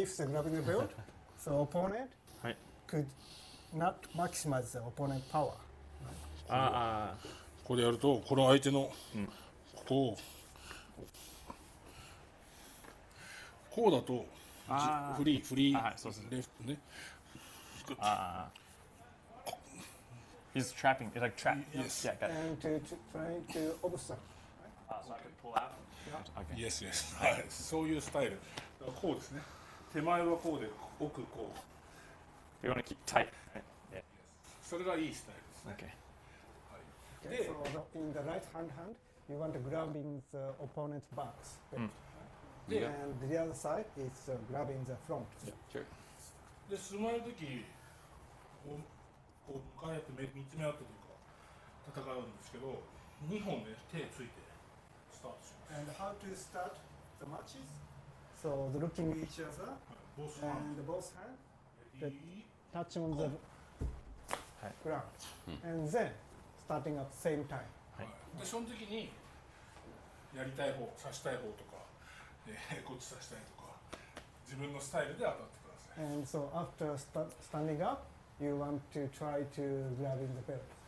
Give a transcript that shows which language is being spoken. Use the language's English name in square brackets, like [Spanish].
[English] If grabbing the belt, the opponent could not maximize the opponent power. [Japanese] ここでやると、この相手の、ここを、こうだと、フリー、フリー、レフトね。 [English] He's trapping, it's like trap. Yes. Yeah, got it. And to try to obstruct. So I can pull out? Yes, yes. [Japanese] そういうスタイル。こうですね。手前はこうで、奥こう。 [English] You want to keep tight. [Japanese] それがいいスタイルですね。 [English] So in the right hand hand, you want to grab in the opponent's back. And the other side is grabbing the front. Sure. [Japanese] で、スマイルの時、こう、向かい合って見つめ合ってというか、戦うんですけど、2本で手ついてスタート。 [English] And how to start the matches? So the looking at each other, and both hands, touch on the ground. And then,starting at the same time. [Japanese] はい。で、その時にやりたい方、刺したい方とか、こっち刺したいとか、自分のスタイルで当たってください。 [English] And so after standing up, you want to try to grab in the belt.